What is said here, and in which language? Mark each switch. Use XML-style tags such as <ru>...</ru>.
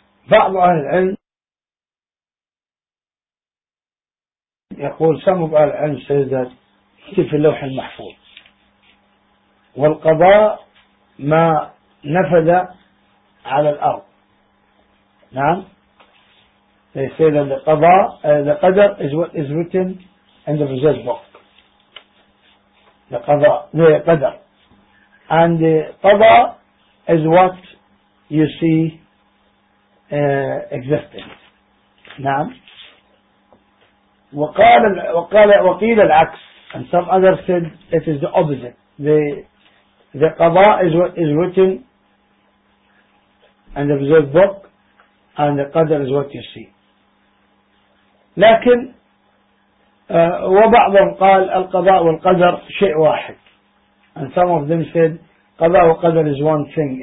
<ar>بعض أهل العلم يقول</ar> <en>some of</en> <ar>أهل العلم</ar> <en>says that</en> <ar>كتب في اللوح المحفوظ والقضاء ما نفذ على الأرض.</ar> <en>نعم they say that the قضاء the قدر is what is written in the possessed book. The قضاء the قدر and the قضاء is what you see existence.</en> <ar>نعم. وقال وقيل العكس.</ar> <en>And some others said it is the opposite. The قضاء is what is written in the observed book and the قدر is what you see.</en> <ar>لكن وبعضهم قال القضاء والقدر شيء واحد.</ar> <en>And some of them said قضاء وقدر is one thing.</en>